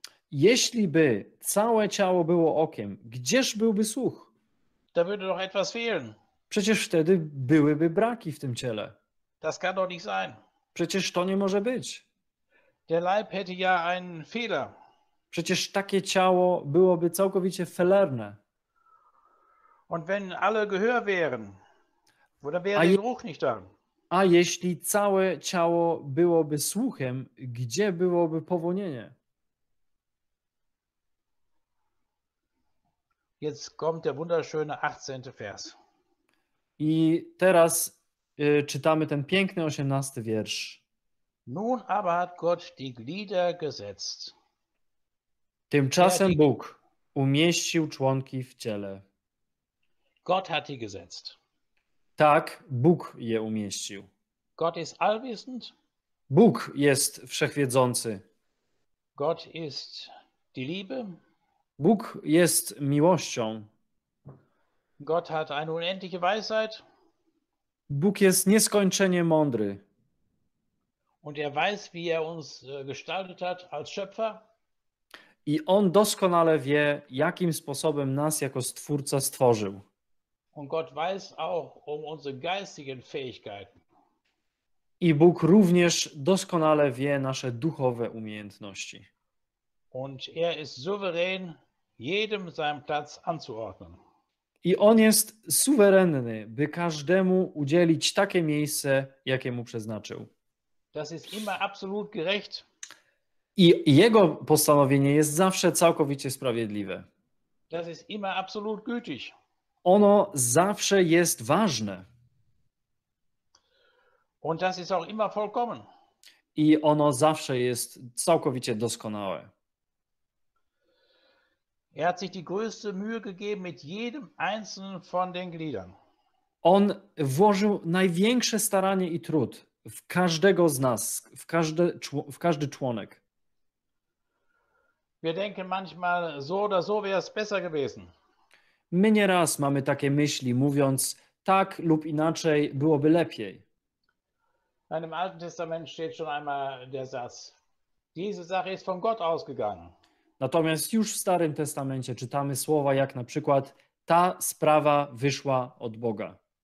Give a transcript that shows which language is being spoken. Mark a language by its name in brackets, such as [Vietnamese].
[Polish] Jeśli by całe ciało było okiem, gdzież byłby słuch? [German] Da würde doch etwas fehlen. [Polish] Przecież wtedy byłyby braki w tym ciele. [German] Das kann doch nicht sein. [Polish] Przecież to nie może być. [German] Der Leib hätte ja einen Fehler. [Polish] Przecież takie ciało byłoby całkowicie fehlerne. [German] Und wenn alle Gehör wären, oder wäre der Geruch nicht da? [Polish] A jeśli całe ciało byłoby słuchem, gdzie byłoby powonienie? [German] Jetzt kommt der wunderschöne 18. Vers. [Polish] I teraz czytamy ten piękny 18 wiersz. [German] Nun aber hat Gott die Glieder gesetzt. [Polish] Tymczasem Bóg umieścił członki w ciele. [German] Gott hat die gesetzt. [Polish] Tak, Bóg je umieścił. [German] Gott ist allwissend. [Polish] Bóg jest wszechwiedzący. [German] Gott ist die Liebe. [Polish] Bóg jest miłością. [German] Gott hat eine unendliche Weisheit. [Polish] Bóg jest nieskończenie mądry. [German] Und er weiß, wie er uns gestaltet hat als Schöpfer. [Polish] I on doskonale wie, jakim sposobem nas jako Stwórca stworzył. [German] Und Gott weiß auch um unsere geistigen Fähigkeiten. [Polish] I Bóg również doskonale wie nasze duchowe umiejętności. [German] Und er ist souverän, jedem seinen Platz anzuordnen. [Polish] I on jest suwerenny, by każdemu udzielić takie miejsce, jakie mu przeznaczył. [German] Das ist immer absolut gerecht. [Polish] I jego postanowienie jest zawsze całkowicie sprawiedliwe. [German] Das ist immer absolut gültig. [Polish] Ono zawsze jest ważne. [German] Und das ist auch immer vollkommen. [Polish] I ono zawsze jest całkowicie doskonałe. [German] Er hat sich die größte Mühe gegeben mit jedem einzelnen von den Gliedern. [Polish] On włożył największe staranie i trud w każdego z nas, w każdy członek. [German] Wir denken manchmal so oder so wäre es besser gewesen. [Polish] My nieraz mamy takie myśli, mówiąc tak lub inaczej byłoby lepiej. [German] Im Alten Testament steht schon einmal der Satz: Diese Sache ist von Gott ausgegangen. [Polish] Natomiast już w Starym Testamencie czytamy słowa jak na przykład ta sprawa wyszła od Boga.